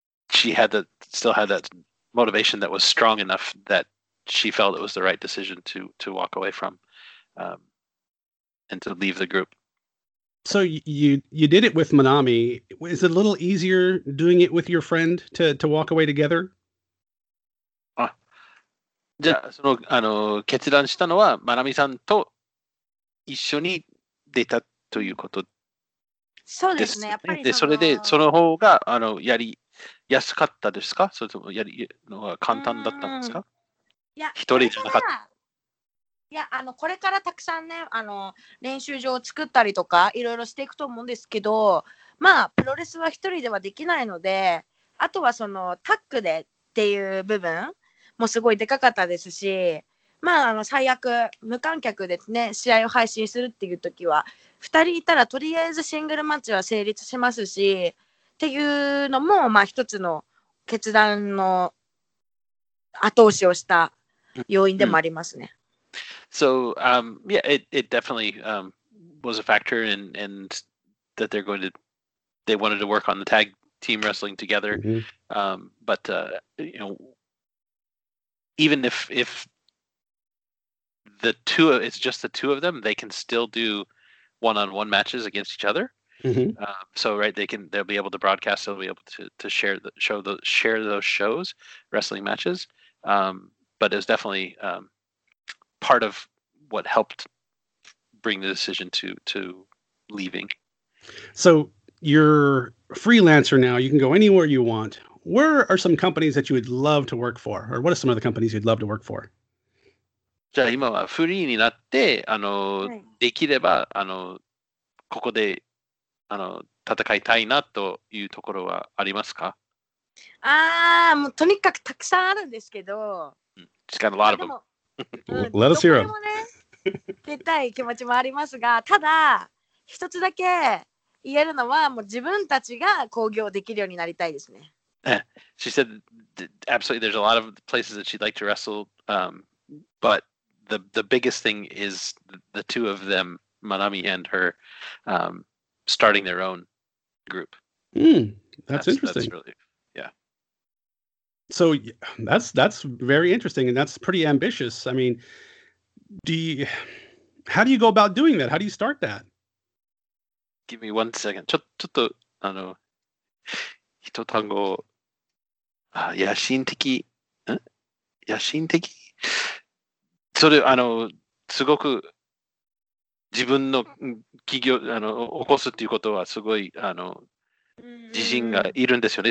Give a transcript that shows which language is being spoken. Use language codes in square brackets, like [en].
[en] she had that, still had that motivation that was strong enough that she felt it was the right decision to walk away from, and to leave the group. So you did it with Manami. Is it a little easier doing it with your friend to walk away together? [ja] じゃあそのあの決断したのはマナミさんと一緒に出たということですね。そうですね。やっぱりでそれでその方があのやりやすかったですか？それともやりのが簡単だったんですか？いや、一人じゃなかった。いや、あのこれからたくさんね、あの練習場を作ったりとかいろいろしていくと思うんですけど、まあプロレスは一人ではできないので、あとはそのタッグでっていう部分。もうすごいでかかったですし、まあ、あの最悪無観客でね試合を配信するっていう時は2人いたらとりあえずシングルマッチは成立しますしっていうのも、まあ、一つの決断の後押しをした要因でもありますね。 [en] So, yeah, it definitely was a factor and that they're going to they wanted to work on the tag team wrestling together. Mm-hmm. You know, even if the two, it's just the two of them, they can still do one-on-one matches against each other. Mm-hmm. They'll be able to broadcast. They'll be able to share those shows, wrestling matches. But it was definitely part of what helped bring the decision to leaving. So you're a freelancer now. You can go anywhere you want. Where are some companies that you would love to work for? Or what are some of the companies you'd love to work for? [ja] じゃあ今はフリーになって、あの、はい、できれば、あの、ここで、あの、戦いたいなというところはありますか？あー、もうとにかくたくさんあるんですけど。 [en] She's got a lot of them. Let us hear them. [ja] 出たい気持ちもありますが、ただ、一つだけ言えるのは、もう自分たちが興行できるようになりたいですね。 [en] She said, absolutely, there's a lot of places that she'd like to wrestle, but the biggest thing is the two of them, Manami and her, starting their own group. That's interesting. That's really, yeah. So that's very interesting, and that's pretty ambitious. I mean, how do you go about doing that? How do you start that? Give me 1 second. [ja] ちょっと、あの、一単語、野心的。それあのすごく自分の企業あの起こすっていうことはすごいあの自信がいるんですよね。